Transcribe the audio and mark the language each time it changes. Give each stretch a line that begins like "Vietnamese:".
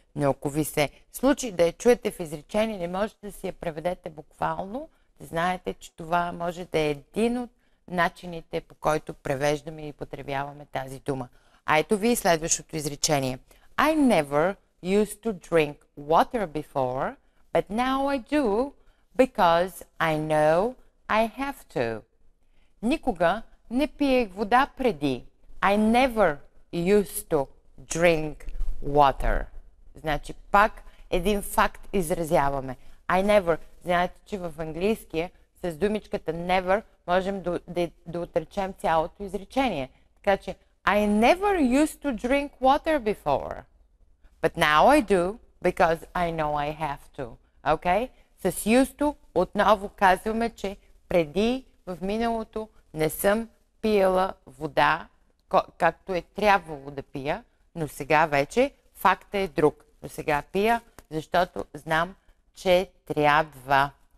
Bulgarian: Но ако ви се случи да я чуете в изречение, не можете да си я преведете буквално, знаете, че това може да е един от начините, по който превеждаме и употребяваме тази дума. А ето ви следващото изречение.
English: I never used to drink water before, but now I do because I know I have to.
Bulgarian: Никога не пиех вода преди.
English: I never used to drink water.
Bulgarian: Значи пак един факт изразяваме.
English: I never.
Bulgarian: Знаете, че в английския с думичката never можем да отречем цялото изречение. Така че
English: I never used to drink water before. But now I do because I know I have to. Okay?
Bulgarian: С used to отново казваме, че преди в миналото не съм пиела вода, както е трябвало да пия, но сега вече факта е друг. Но сега пия, защото знам, че трябва.